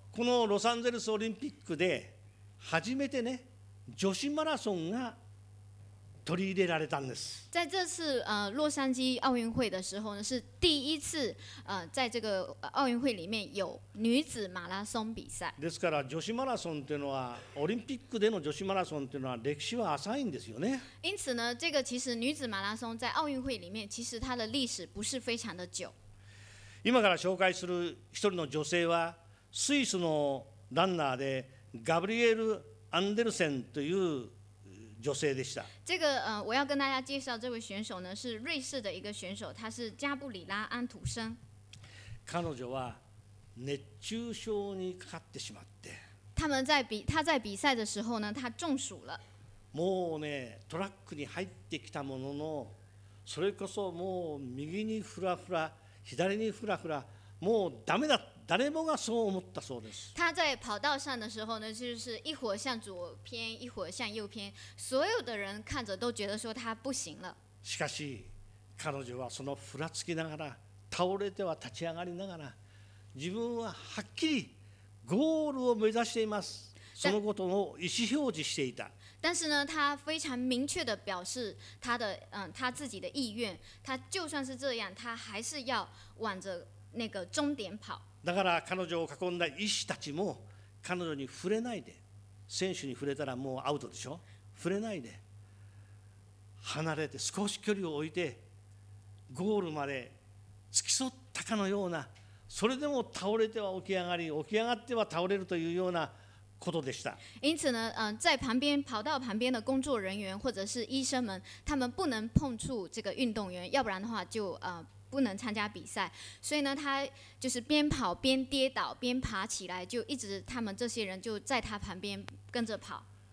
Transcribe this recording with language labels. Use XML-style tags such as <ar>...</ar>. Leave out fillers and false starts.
<ja>このロサンゼルスオリンピックで初めてね、女子マラソンが取り入れられたんです。</ja> <zh>在这次洛杉矶奥运会的时候呢，是第一次在这个奥运会里面有女子马拉松比赛。</zh> <ja>ですから女子マラソンというのはオリンピックでの女子マラソンというのは歴史は浅いんですよね。</ja> <zh>因此呢，这个其实女子马拉松在奥运会里面，其实它的历史不是非常的久。</zh> <ja>今から紹介する一人の女性はスイスのランナーでガブリエル・アンデルセンという女性でした。</ja> <zh>这个我要跟大家介绍这位选手呢，是瑞士的一个选手，他是加布里拉·安徒生。</zh> <ja>彼女は熱中症にかかってしまって。</ja> <zh>他在比赛的时候呢，他中暑了。</zh> <ja>もうね、トラックに入ってきたものの、それこそもう右にフラフラ、左にフラフラ、もうダメだ。誰もがそう思ったそうです。</ja> <zh>他在跑道上的时候呢，就是一会儿向左偏，一会儿向右偏，所有的人看着都觉得说他不行了。</zh> <ja>しかし、彼女はそのふらつきながら、倒れては立ち上がりながら、自分ははっきりゴールを目指しています。そのことを意思表示していた。</ja> <zh>但是呢，他非常明确的表示他的他自己的意愿。他就算是这样，他还是要往着那个终点跑。</zh> <ja>だから彼女を囲んだ医師たちも彼女に触れないで、選手に触れたらもうアウトでしょ、触れないで離れて少し距離を置いてゴールまで付き添ったかのような、それでも倒れては起き上がり、起き上がっては倒れるというようなことでした。</ja> <zh>因此呢，在旁边跑道旁边的工作人员或者是医生们，他们不能碰触这个运动员，要不然的话就不能参加比赛，所以呢，他就是边跑边跌倒，边爬起来，就一直他们这些人就在他旁边跟着跑。</zh>